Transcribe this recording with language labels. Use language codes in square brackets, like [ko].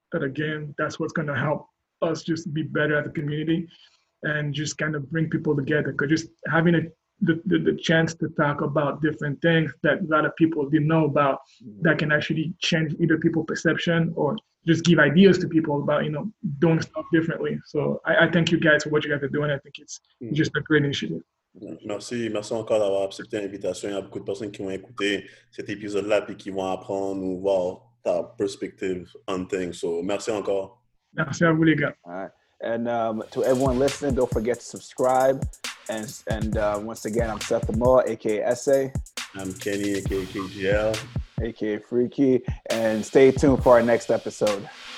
[en] But again, that's what's going to help us just be better at the community and just kind of bring people together. Because just having a the chance to talk about different things that a lot of people didn't know about that can actually change either people's perception or just give ideas to people about, you know, doing stuff differently. So I thank you guys for what you guys are doing. I think it's just a great initiative. [fr] Merci, merci encore d'avoir accepté l'invitation. Il y a beaucoup de personnes qui vont écouter cet épisode-là et qui vont apprendre ou voir ta perspective [en] on things. [fr] So, merci encore. Merci à vous, les gars. [en] All right. And to everyone listening, don't forget to subscribe. And once again, I'm Seth Amoah, a.k.a. Essay. I'm Kenny, a.k.a. KGL. A.k.a. Freaky. And stay tuned for our next episode.